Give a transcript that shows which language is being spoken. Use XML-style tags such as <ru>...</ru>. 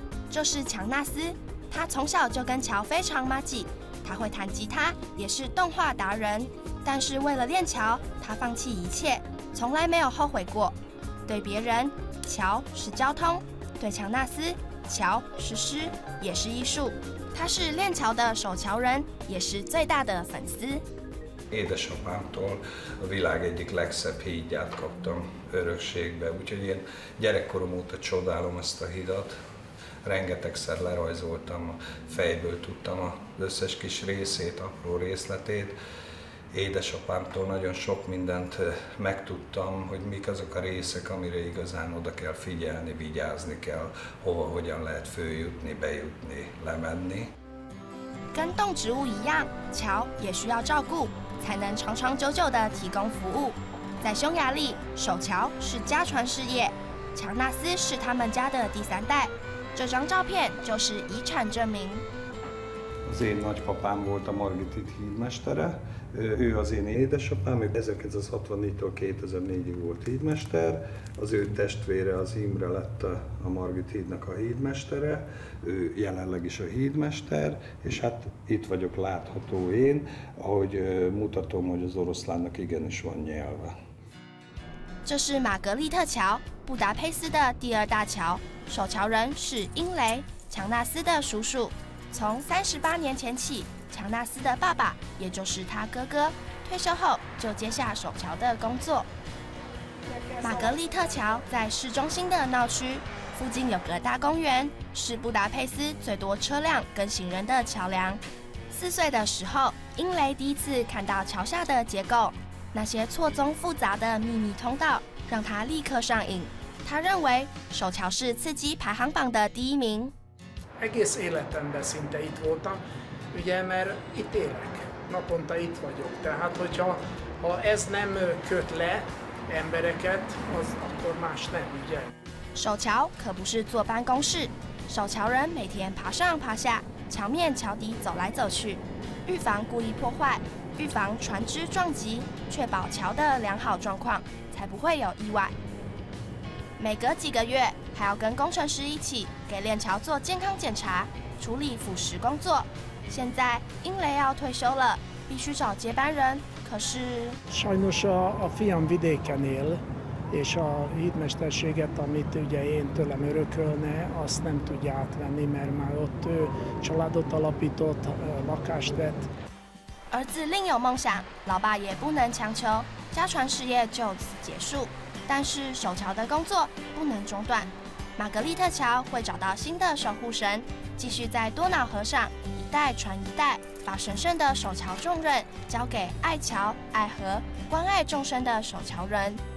<zh>就是强纳斯，他从小就跟桥非常麻吉，他会弹吉他，也是动画达人，但是为了练桥他放弃一切，从来没有后悔过。对别人，桥是交通；对强纳斯，桥是诗，也是艺术。他是练桥的守桥人，也是最大的粉丝。</zh> <hu>Édes apámtól a világ egyik legszebb hídját kaptam örökségbe, úgyhogy én gyerekkorom óta csodálom ezt a hidat. Rengetegszer lerajzoltam, fejből tudtam az összes kis részét, apró részletét. Édesapámtól nagyon sok mindent megtudtam, hogy mik azok a részek, amire igazán oda kell figyelni, vigyázni kell, hova, hogyan lehet följutni, bejutni, lemenni.</hu> <zh>跟动植物一样，桥也需要照顾，才能长长久久地提供服务。在匈牙利，守桥是家传事业，强纳斯是他们家的第三代，这张照片就是遗产证明。</zh> <hu>Az én nagypapám volt a Margitit hídmestere, ő az én édesapám, ő 1964-től 2004-ig volt hídmester, az ő testvére az Imre lett a Margit hídnak a hídmestere, ő jelenleg is a hídmester, és hát itt vagyok látható én, ahogy mutatom, hogy az oroszlánnak igenis van nyelve.</hu> <zh>这是玛格丽特桥，布达佩斯的第二大桥，守桥人是英雷，强纳斯的叔叔。从38年前起，强纳斯的爸爸，也就是他哥哥，退休后就接下守桥的工作。玛格丽特桥在市中心的闹区，附近有个大公园，是布达佩斯最多车辆跟行人的桥梁。 4岁的时候，英雷第一次看到桥下的结构，那些错综复杂的秘密通道，让他立刻上瘾。他认为守桥是刺激排行榜的第一名。</zh> <hu>Egész életemben szinte itt voltam, ugye, mert itt élek, naponta itt vagyok. Tehát, hogyha ha ez nem köt le embereket, az akkor más nem, ugye.</hu> <zh>守桥可不是坐办公室，守桥人每天爬上爬下，桥面桥底走来走去，预防故意破坏，预防船只撞击，确保桥的良好状况，才不会有意外。每隔几个月，还要跟工程师一起给练桥做健康检查，处理腐蚀工作。现在英雷要退休了，必须找接班人。可是</zh> <hu>，Sajnos a fiam vidéken él, és a hídmesterséget, amit ugye én tőlem örökölne, azt nem tudja átvenni, mert már ott családot alapított, lakást vett.</hu> <zh>儿子另有梦想，老爸也不能强求，家传事业就此结束。但是守桥的工作不能中断，玛格丽特桥会找到新的守护神，继续在多瑙河上一代传一代，把神圣的守桥重任交给爱桥、爱河、关爱众生的守桥人。</zh>